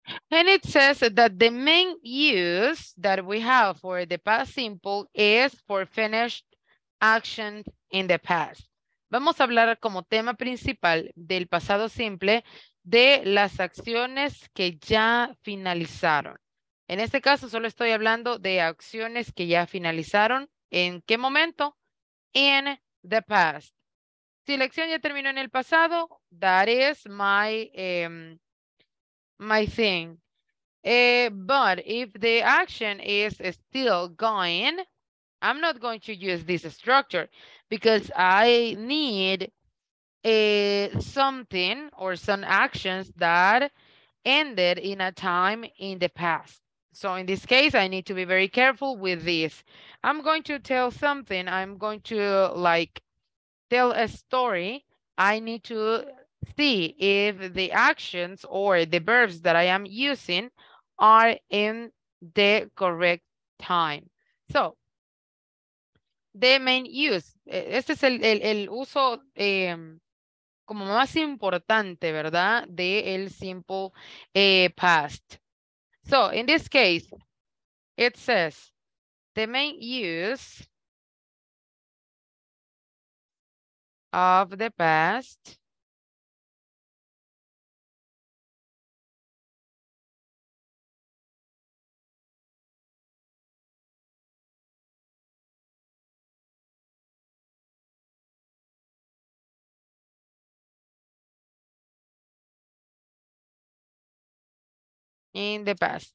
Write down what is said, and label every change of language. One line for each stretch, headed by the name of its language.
English: And it says that the main use that we have for the past simple is for finished actions in the past.
Spanish: Vamos a hablar como tema principal del pasado simple de las acciones que ya finalizaron. En este caso, solo estoy hablando de acciones que ya finalizaron. ¿En qué momento? En
English: the past.
Spanish: Si la acción ya terminó en el pasado,
English: that is my my thing. But if the action is still going, I'm not going to use this structure because I need something or some actions that ended in a time in the past. So in this case, I need to be very careful with this. I'm going to tell something. I'm going to like tell a story. I need to see if the actions or the verbs that I am using are in the correct time. So the main use.
Spanish: Este es el uso como más importante, ¿verdad? De el simple past.
English: So, in this case, it says the main use of the past in the past.